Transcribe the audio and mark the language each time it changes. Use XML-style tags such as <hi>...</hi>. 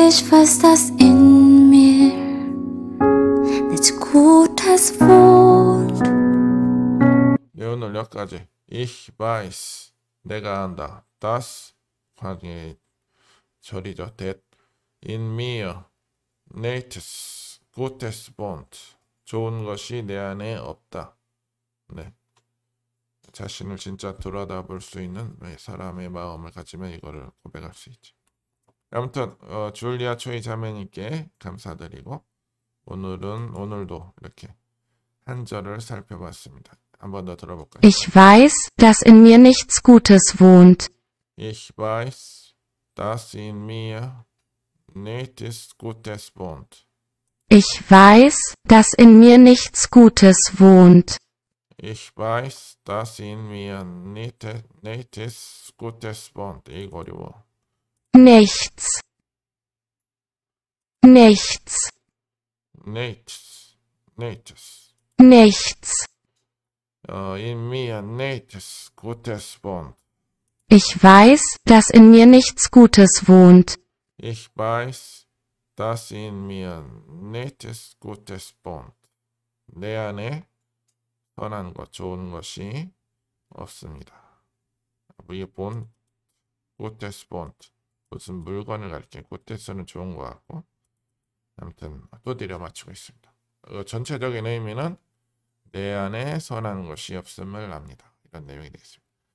<de>Was das in mir nichts Gutes wohnt.</de> <ko>Ja, 오늘 여기까지.</ko> <de>Ich weiß,</de> <ko>내가 안다. Das, 관계의 절이죠.</ko> <de>That in mir nichts Gutes wohnt.</de> <ko>좋은 것이 내 안에 없다. 네. 자신을 진짜 돌아다볼 수 있는 사람의 마음을 가지면 이거를 고백할 수 있죠. 아무튼 줄리아 초이 자매님께 감사드리고 오늘도 이렇게 한 절을 살펴봤습니다. 한번 더 들어볼까요?</ko> <de>Ich weiß, dass in mir nichts Gutes wohnt. Ich weiß, dass in mir nichts Gutes wohnt. Ich weiß, dass in mir nichts Gutes wohnt. Ich weiß, dass in mir nichts Gutes wohnt. Nichts. Nichts. Nichts. Nichts. Nichts. In mir nichts Gutes wohnt. Ich weiß, dass in mir nichts Gutes wohnt. Ich weiß, dass in mir nichts Gutes wohnt.</de> <ko>Lerne, 선한 것, 좋은 것이 없습니다.</ko> <de>Wir wohnen Gutes wohnt.</de> <ko>무슨 물건을 가리키는 꽃대서는 좋은 것 같고 아무튼 또 들여 맞추고 있습니다. 전체적인 의미는 내 안에 선한 것이 없음을 압니다. 이런 내용이 되겠습니다.</ko>